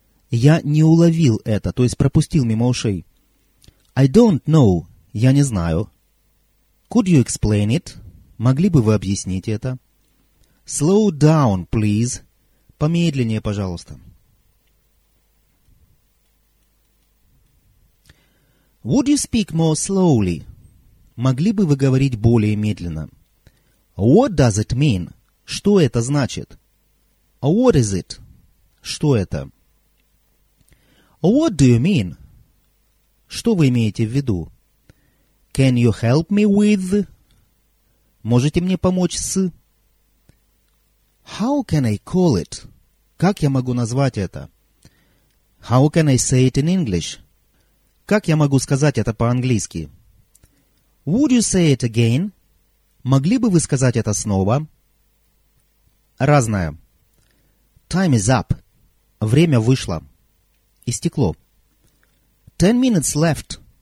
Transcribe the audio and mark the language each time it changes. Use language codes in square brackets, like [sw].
[ru] Я не уловил это, то есть пропустил мимо ушей. [en] I don't know. [ru] Я не знаю. [en] Could you explain it? [ru] Могли бы вы объяснить это? [en] Slow down, please. [ru] Помедленнее, пожалуйста. [en] Would you speak more slowly? [ru] Могли бы вы говорить более медленно? [en] What does it mean? [ru] Что это значит? [en] What is it? [ru] Что это? [en] What do you mean? [ru] Что вы имеете в виду? [en] Can you help me with? [ru] Можете мне помочь с? [en] How can I call it? [ru] Как я могу назвать это? [en] How can I say it in English? [ru] Как я могу сказать это по-английски? [en] Would you say it again? [ru] Могли бы вы сказать это снова? Разное. [en] Time is up. [ru] Время вышло. Истекло. [en] 10 minutes left.